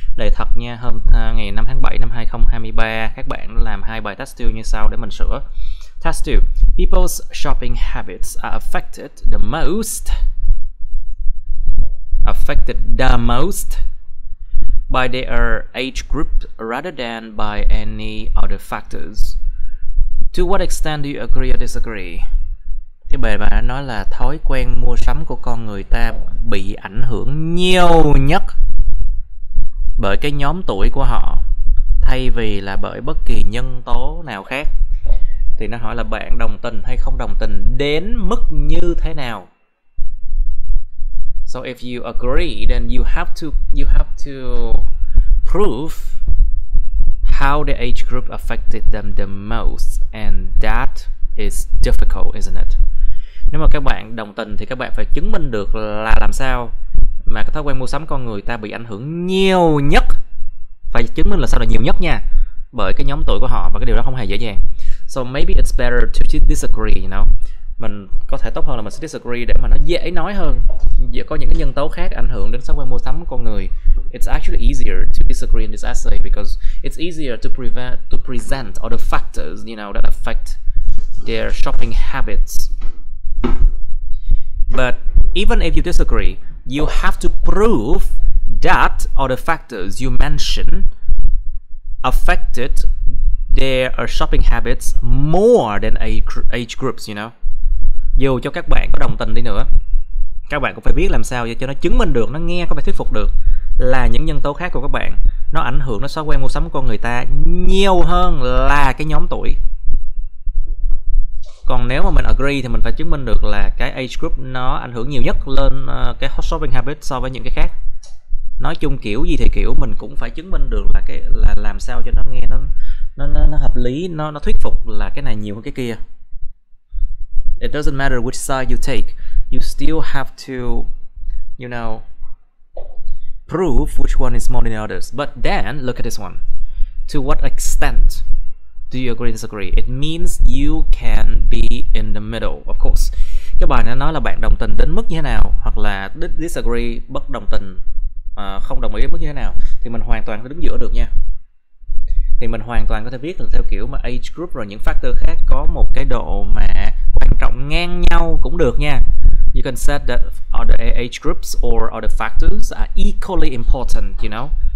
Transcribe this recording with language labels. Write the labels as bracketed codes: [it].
[vi] Lời thật nha, hôm ngày 5 tháng 7 năm 2023, các bạn làm hai bài test 2 như sau để mình sửa. [en] Test 2. People's shopping habits are affected the most by their age group rather than by any other factors. To what extent do you agree or disagree? [vi] Thì bài bà nói là thói quen mua sắm của con người ta bị ảnh hưởng nhiều nhất bởi cái nhóm tuổi của họ thay vì là bởi bất kỳ nhân tố nào khác. Thì nó hỏi là bạn đồng tình hay không đồng tình đến mức như thế nào. [en] So if you agree, then you have to prove how the age group affected them the most, and that is difficult, isn't it? [vi] Nếu mà các bạn đồng tình thì các bạn phải chứng minh được là làm sao mà cái thói quen mua sắm con người ta bị ảnh hưởng nhiều nhất. Phải chứng minh là sao là nhiều nhất nha, bởi cái nhóm tuổi của họ, và cái điều đó không hề dễ dàng. [en] So maybe it's better to disagree, you know. [vi] Mình có thể tốt hơn là mình sẽ disagree để mà nó dễ nói hơn. Giữa có những cái nhân tố khác ảnh hưởng đến thói quen mua sắm của con người. [en] It's actually easier to disagree in this essay because it's easier to present all the factors, you know, that affect their shopping habits. But even if you disagree, you have to prove that all the factors you mention affected there are shopping habits more than age groups, you know. [vi] Dù cho các bạn có đồng tình đi nữa, các bạn cũng phải biết làm sao cho nó chứng minh được, nó nghe có phải thuyết phục được là những nhân tố khác của các bạn nó ảnh hưởng, nó thói quen mua sắm của người ta nhiều hơn là cái nhóm tuổi. Còn nếu mà mình agree thì mình phải chứng minh được là cái [en] age group [vi] nó ảnh hưởng nhiều nhất lên cái [en] shopping habits [vi] so với những cái khác. Nói chung kiểu gì thì kiểu mình cũng phải chứng minh được là cái là làm sao cho nó nghe nó hợp lý, nó thuyết phục là cái này nhiều hơn cái kia. [en] It doesn't matter which side you take, you still have to, you know, prove which one is more than the others. But then look at this one. To what extent do you agree or disagree? It means you can be in the middle, of course. [vi] Cái bài này nói là bạn đồng tình đến mức như thế nào, hoặc là disagree, bất đồng tình, không đồng ý đến mức như thế nào, thì mình hoàn toàn có đứng giữa được nha. Thì mình hoàn toàn có thể viết theo kiểu mà [en] age group [vi] rồi những factor khác có một cái độ mà quan trọng ngang nhau cũng được nha. [en] You can say that other age groups or other factors are equally important, you know.